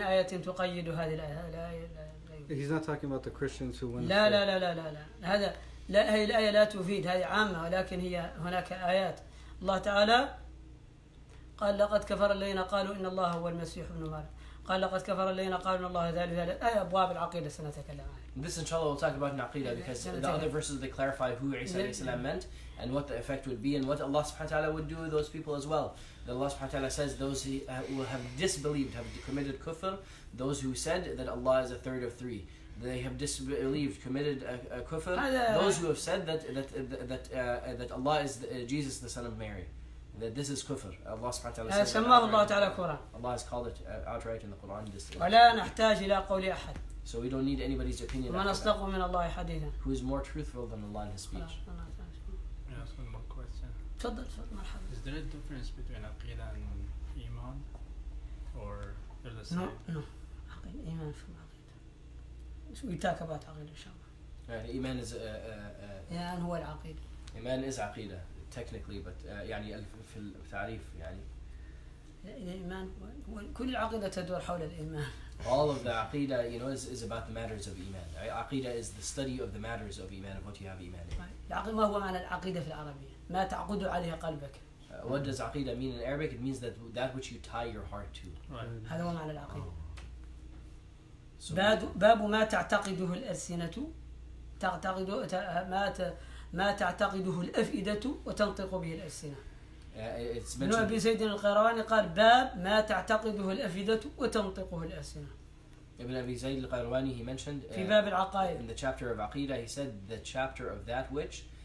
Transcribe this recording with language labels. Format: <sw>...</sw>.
<en>He's not talking about the Christians who went.</en> <ar>لا لا لا لا لا لا. هذا لا هي الآية لا تفيد هذه عامة ولكن هي هناك آيات الله تعالى. قال لقد كفر الذين قالوا إن الله هو المسيح ابن مريم قال لقد كفر الذين قالوا إن الله ثالث أي أبواب العقيدة سنتكلم عنها</ar> <en>This inshallah we'll talk about in Aqidah because the other verses they clarify who Isa alayhi salam meant and what the effect would be and what Allah subhanahu wa ta'ala would do with those people as well. That Allah subhanahu wa ta'ala says those who have disbelieved, have committed kufr, those who said that Allah is a third of three. They have disbelieved, committed a kufr, those who have said that Allah is Jesus, the son of Mary. That this is kufr. Allah subhanahu wa ta'ala says Allah has called it outright in the Quran.</en> <ar>وَلَا نَحْتَاجِ إِلَىٰ قَوْلِ أَحَدٍ</ar> <en>So we don't need anybody's opinion.</en> <ar>من أصدق من الله حديثا.</ar> <en>Who is more truthful than Allah in his speech? Can I ask one more question?</en> <ar>تفضل مرحبا.</ar> <en>Is there a difference between عقيدة and إيمان, or they're the same? No. عقيدة إيمان في عقيدة. We talk about عقيدة</en> <ar>شاء إيمان</ar> <en>is</en> <ar>إيمان هو العقيدة. إيمان</ar> <en>is</en> <ar>عقيدة</ar> <en>technically, but</en> <ar>يعني في التعريف يعني. الإيمان كل العقيدة تدور حول الإيمان.</ar> <en>All of the aqidah, you know, is about the matters of iman. Aqidah is the study of the matters of iman, of what you have iman in.</en> <ar>ما هو معنى العقيده في العربيه؟ ما تعقد عليه قلبك.</ar> <en>What does aqidah mean in Arabic? It means that which you tie your heart to.</en> <ar>هذا هو معنى العقيده. باب ما تعتقده الألسنة ما تعتقده الأفئدة وتنطق به الألسنة.</ar> <en>It's mentioned.</en> <ar>أبي سيد القيرواني قال باب ما تعتقده الأفئدة وتنطقه الألسنة.</ar> <en>Ibn Abi Zayd al-Qayrawani, he mentioned</en> <ar>في باب العقائد.</ar> <en>In the chapter of عقيدة, he said the chapter of that which</en>